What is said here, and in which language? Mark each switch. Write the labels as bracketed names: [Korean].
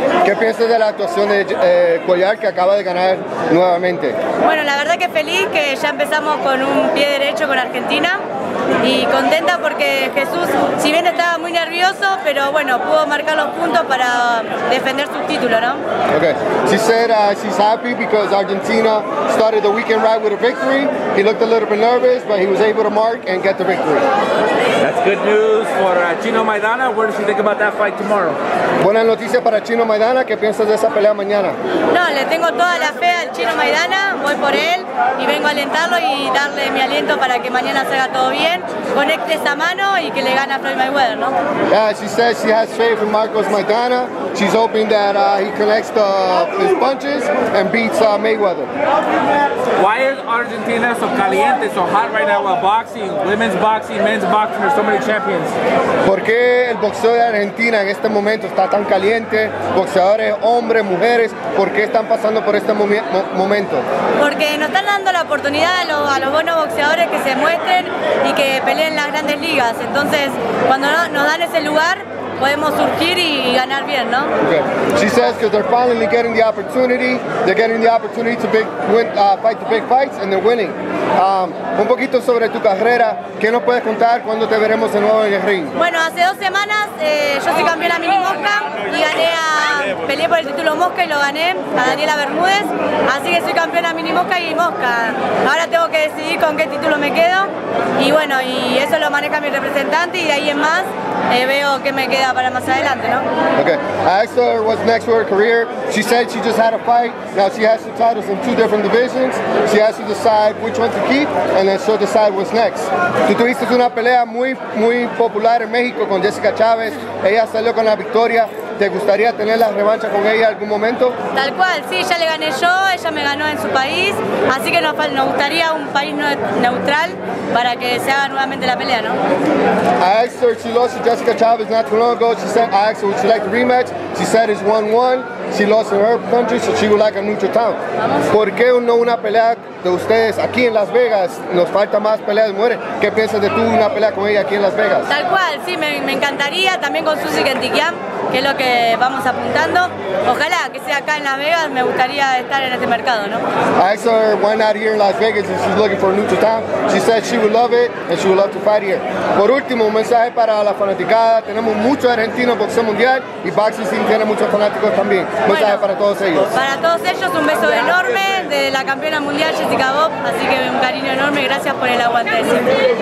[Spanish] ¿Qué piensas de la actuación de Cuellar, que acaba de ganar nuevamente? Bueno, la verdad que feliz, que ya empezamos con un pie derecho con Argentina. Y contenta porque Jesús, si bien estaba muy nervioso, pero bueno, pudo marcar los puntos para defender su título, ¿no? [English] Okay. She said she's happy because Argentina started the weekend right with a victory. He looked a little bit nervous, but he was able to mark and get the victory. That's good news for Chino Maidana. What does he think about that fight tomorrow? [Spanish] Buenas noticias para Chino Maidana. ¿Qué piensas de esa pelea mañana? No, le tengo toda la fe al Chino Maidana. Voy por él y vengo a alentarlo y darle mi aliento para que mañana salga todo bien. [English] Yeah, she says she has faith in Marcos Maidana. She's hoping that he connects his punches and beats Mayweather. Why is Argentina so caliente, so hot right now with boxing, women's boxing, men's boxing, there's so many champions? [Spanish] ¿Por qué el boxeo de Argentina en este momento está tan caliente? Boxeadores, hombres, mujeres, ¿por qué están pasando por este momento? Porque nos están dando la oportunidad a los buenos boxeadores que se muestren y que peleen las grandes ligas. Entonces, cuando nos dan ese lugar, podemos surgir y ganar bien, ¿no? [English] Okay. She says because they're finally getting the opportunity. They're getting the opportunity to fight the big fights and they're winning. [Spanish] Un poquito sobre tu carrera, ¿qué nos puedes contar? ¿Cuándo te veremos de nuevo en el ring? Bueno, hace dos semanas yo soy campeona mini mosca y peleé por el título mosca y lo gané a Daniela Bermúdez. Así que soy campeona mini mosca y mosca. Ahora tengo que decidir con qué título me quedo. Y bueno, y eso lo maneja mi representante y de ahí en más veo qué me queda para más adelante, ¿no? [English] Okay. I asked her what's next for her career. She said she just had a fight. Now she has the titles in two different divisions. She has to decide which one to keep and then she'll decide what's next. [Spanish] Tú tuviste una pelea muy, muy popular en México con Jessica Chávez. Ella salió con la victoria. ¿Te gustaría tener la revancha con ella algún momento? Tal cual, sí, ya le gané yo, ella me ganó en su país, así que nos gustaría un país neutral para que se haga nuevamente la pelea, ¿no? [English] I asked her, she lost to Jessica Chávez not too long ago. She said, I asked her, would she like the rematch? She said it's 1-1. She lost in her country, so she would like a neutral town. [Spanish] ¿Por qué no una pelea de ustedes aquí en Las Vegas? Nos falta más peleas de mujeres. ¿Qué piensas de tú una pelea con ella aquí en Las Vegas? Tal cual, sí, me encantaría. También con Susie Kentikian, que es lo que vamos apuntando. Ojalá que sea acá en Las Vegas. Me gustaría estar en este mercado, ¿no? [English] I asked her why not here in Las Vegas if she's looking for a neutral town. She said she would love it and she would love to fight here. [Spanish] Por último, un mensaje para la fanaticada. Tenemos muchos argentinos boxeo mundial y boxing sí tiene muchos fanáticos también. Bueno, mensaje para todos ellos. Para todos ellos, un beso enorme de la campeona mundial Jessica Bob. Así que un cariño enorme. Gracias por el aguante de siempre.